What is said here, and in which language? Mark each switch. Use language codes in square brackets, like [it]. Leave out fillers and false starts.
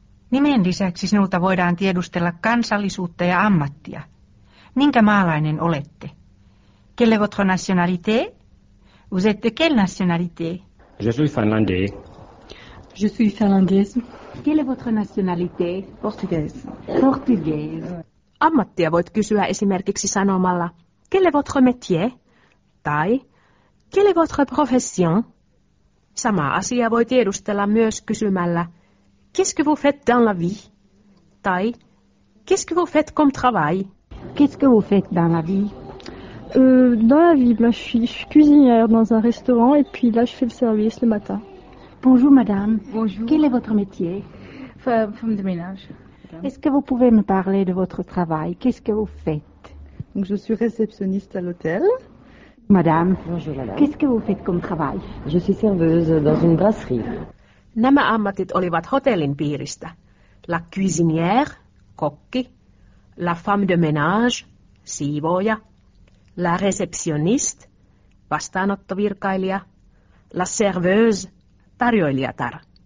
[fi] Nimen lisäksi sinulta voidaan tiedustella kansallisuutta ja ammattia. Minkä maalainen olette? [fr] Quelle votre nationalité? Vous êtes de quelle nationalité? Je suis finlandais. Je suis finlandaise. Quelle est votre nationalité? Portugaise. Portugaise. [fi] Ammattia voit kysyä esimerkiksi sanomalla, quel est votre métier? [fr] Tai, quel est votre profession? Samaa asiaa voi tiedustella myös kysymällä, qu'est-ce que vous faites dans la vie? Tai, qu'est-ce que vous faites comme travail? Qu'est-ce que vous faites dans la vie? Dans la vie, ben, je suis cuisinière dans un restaurant et puis là, je fais le service le matin. Bonjour madame. Bonjour. Quel est votre métier? Femme de ménage. Est-ce que vous pouvez me parler de votre travail? Qu'est-ce que vous faites? Donc, je suis réceptionniste à l'hôtel. Madame. Bonjour madame. Qu'est-ce que vous faites comme travail? Je suis serveuse dans une brasserie. [fi] Nämä ammatit olivat hotellin piiristä. [fr] La cuisinière, kokki. La femme de ménage, siivooja. La réceptionniste, vastaanottovirkailija. La serveuse, tarjoilijatar.